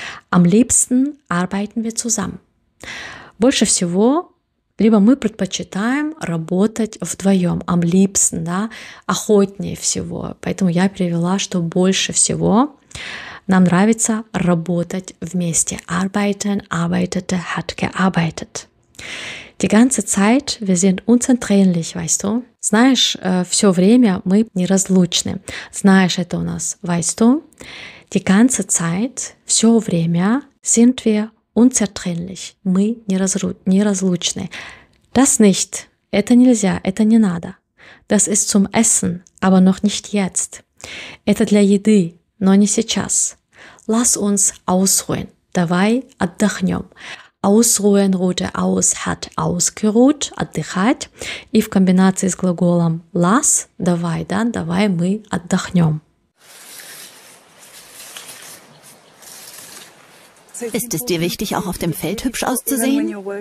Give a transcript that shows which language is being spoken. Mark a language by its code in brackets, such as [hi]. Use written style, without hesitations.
[de] Am liebsten arbeiten wir zusammen. [ru] Больше всего, либо мы предпочитаем работать вдвоем. [de] Am liebsten, [ru] да, охотнее всего. Поэтому я перевела, что больше всего нам нравится работать вместе. [de] Arbeiten, arbeitete, hat gearbeitet. Die ganze Zeit, wir sind unzertrennlich, weißt du? [ru] Знаешь, все время мы неразлучны. Знаешь, это у нас, [de] weißt du? Die ganze Zeit, [ru] все время [de] sind wir unzertrennlich. [ru] Мы неразлучны. [de] Das nicht. [ru] Это нельзя, это не надо. [de] Das ist zum Essen, aber noch nicht jetzt. [ru] Это для еды, но не сейчас. [de] Lass uns ausruhen. [ru] Давай отдохнем. [de] ausruhen, ruhte aus, hat ausgeruht, [ru] отдыхать. И в комбинации с глаголом las, давай, да, давай мы отдохнем. [de] Ist es dir wichtig, auch auf dem Feld hübsch auszusehen?